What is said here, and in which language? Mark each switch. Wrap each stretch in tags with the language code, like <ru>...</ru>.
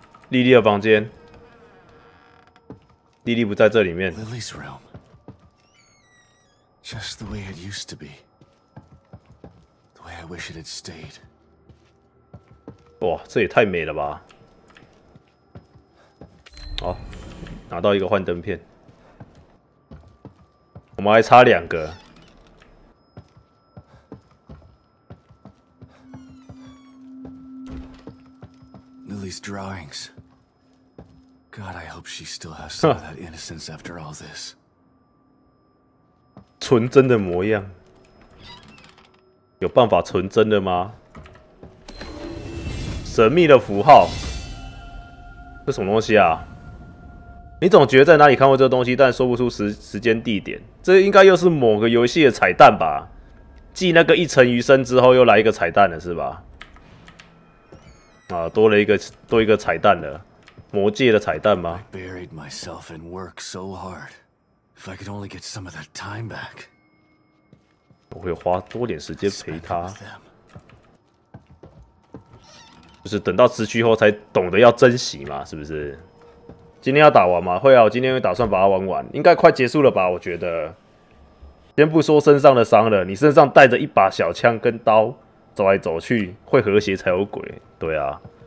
<zh>莉莉的房间，莉莉不在这里面。</zh> <en>Lily's realm, just the way it used to be, the way I wish it had stayed.</en> <zh>哇，这也太美了吧！好，拿到一个幻灯片，我们还差两个。</zh> <en>Lily's drawings. God, I hope she still has some of that innocence after all this.</en> <zh>纯真的模样，有办法纯真的吗？神秘的符号，这什么东西啊？你总觉得在哪里看过这个东西，但说不出时间地点。这应该又是某个游戏的彩蛋吧？继那个一程余生之后，又来一个彩蛋了，是吧？啊，多一个彩蛋了。魔戒的彩蛋吗？</zh> <en>I buried myself in work so hard. If I could only get some of that time back,</en> <zh>我会花多点时间陪他。就是等到失去后才懂得要珍惜嘛，是不是？今天要打完吗？会啊，我今天会打算把它玩完，应该快结束了吧？我觉得。先不说身上的伤了，你身上带着一把小枪跟刀走来走去，会和谐才有鬼。对啊。</zh>